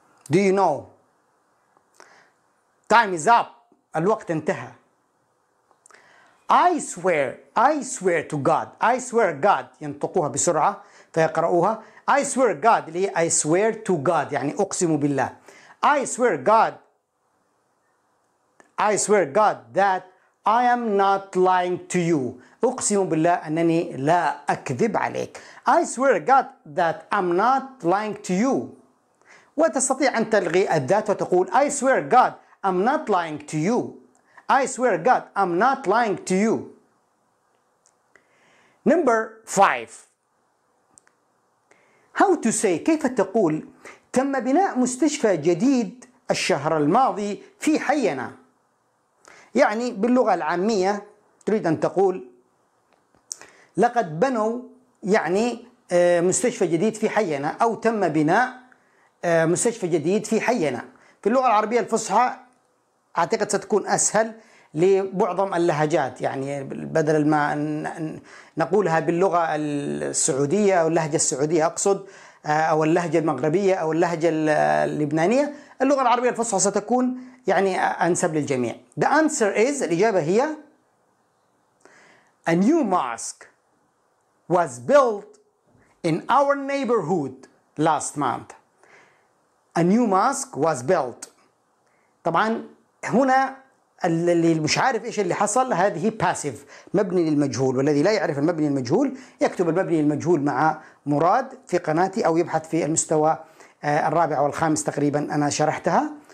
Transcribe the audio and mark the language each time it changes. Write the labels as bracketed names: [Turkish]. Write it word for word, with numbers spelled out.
[English] Do you know? Time is up. [Arabic] الوقت انتهى. [English] I swear, I swear to God, I swear God. [Arabic] ينطقوها بسرعة فيقرؤوها. [English] I swear God [Arabic] اللي هي [English] I swear to God [Arabic] يعني أقسم بالله. [English] I swear God, I swear God that I am not lying to you. [Arabic] أقسم بالله أنني لا أكذب عليك. [English] I swear God that I'm not lying to you. [Arabic] وتستطيع أن تلغي الذات وتقول [English] I swear God, I'm not lying to you. I swear God, I'm not lying to you. Number five. How to say, [Arabic] كيف تقول تم بناء مستشفى جديد الشهر الماضي في حينا. يعني باللغة العامية تريد أن تقول لقد بنوا يعني مستشفى جديد في حينا، أو تم بناء مستشفى جديد في حينا. في اللغة العربية الفصحى أعتقد ستكون أسهل لبعض اللهجات، يعني بدل ما أن نقولها باللغة السعودية أو اللهجة السعودية أقصد، أو اللهجة المغربية أو اللهجة اللبنانية، اللغة العربية الفصحى ستكون يعني أنسب للجميع. [English] The answer is [Arabic] الإجابة هي [English] A new mosque was built in our neighborhood last month. A new mosque was built. [Arabic] طبعا هنا اللي مش عارف إيش اللي حصل، هذه passive مبني للمجهول، والذي لا يعرف المبني المجهول يكتب المبني المجهول مع مراد في قناتي أو يبحث في المستوى الرابع والخامس تقريبا أنا شرحتها،